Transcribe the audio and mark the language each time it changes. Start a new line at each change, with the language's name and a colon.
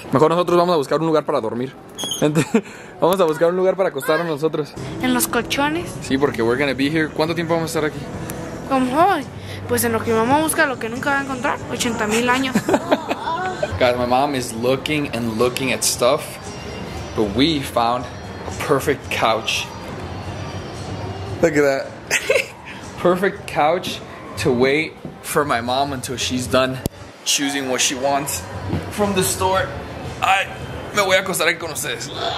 Spanish: Mejor nosotros vamos a buscar un lugar para dormir. Gente, vamos a buscar un lugar para acostarnos nosotros. En los colchones. Sí, porque
English: we're gonna be here.
Spanish: ¿Cuánto tiempo vamos a estar aquí? Como hoy. Pues en lo que mi mamá busca lo que nunca va a encontrar. 80,000 años.
English: Guys, my mom is looking and looking at stuff, but we found a perfect couch. Look at that. Perfect couch to wait for my mom until she's done choosing what she wants from the store.
Spanish: Ay, me voy a acostar aquí con ustedes.